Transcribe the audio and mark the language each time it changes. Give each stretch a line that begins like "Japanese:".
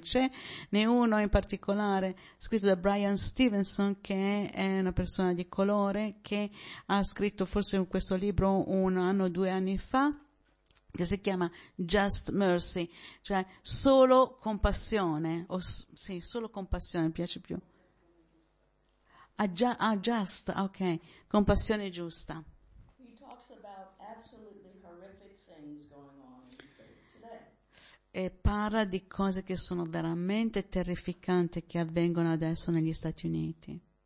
Italian: C'è ne uno in particolare scritto da Brian Stevenson, che è una persona di colore, che ha scritto forse questo libro un anno o due anni fa, che si chiama Just Mercy, cioè solo compassione, o sì, solo compassione, mi piace più. Just, ok, compassione giusta.
English: He talks about absolutely horrific things going on in the States today.
Italian: E parla di cose che sono veramente terrificanti che avvengono adesso negli Stati Uniti.